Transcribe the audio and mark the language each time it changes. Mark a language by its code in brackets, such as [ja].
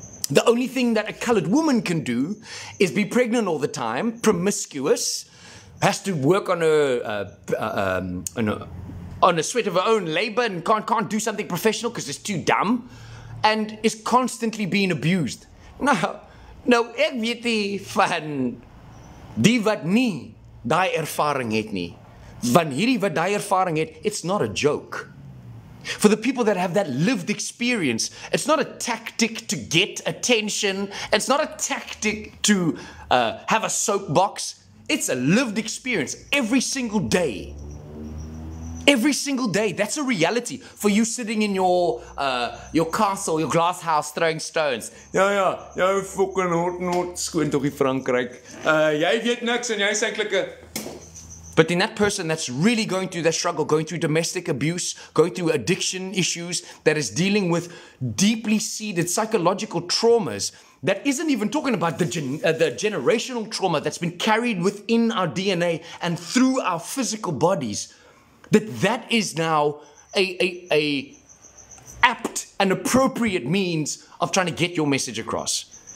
[en] The only thing that a colored woman can do is be pregnant all the time, promiscuous, has to work on a sweat of her own labor and can't do something professional because it's too dumb, and is constantly being abused. [af] Nou, ek weet nie van die wat nie die ervaring het nie. Van hierdie wat die ervaring het, [en] it's not a joke. For the people that have that lived experience, it's not a tactic to get attention. It's not a tactic to have a soapbox. It's a lived experience every single day. Every single day, that's a reality for you sitting in your castle, your glass house, throwing stones. Yeah, you fucking hot, squint op die Frankrijk. [af] Jy weet niks en jy is eintlik 'n... [en] But in that person that's really going through that struggle, going through domestic abuse, going through addiction issues, that is dealing with deeply seated psychological traumas, that isn't even talking about the generational trauma that's been carried within our DNA and through our physical bodies, that is now a apt and appropriate means of trying to get your message across.